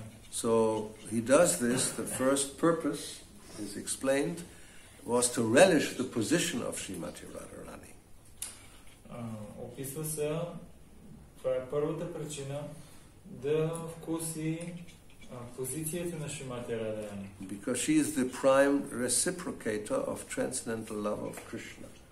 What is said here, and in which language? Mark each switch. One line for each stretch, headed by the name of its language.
English: So he does this, the first purpose is explained, was to relish the position of Srimati Radharani.
Bulgarian: Описва се, това е първата причина, да вкуси позицията на Шримати Радхарани.
English: Because she is the prime reciprocator of transcendental love of Krishna.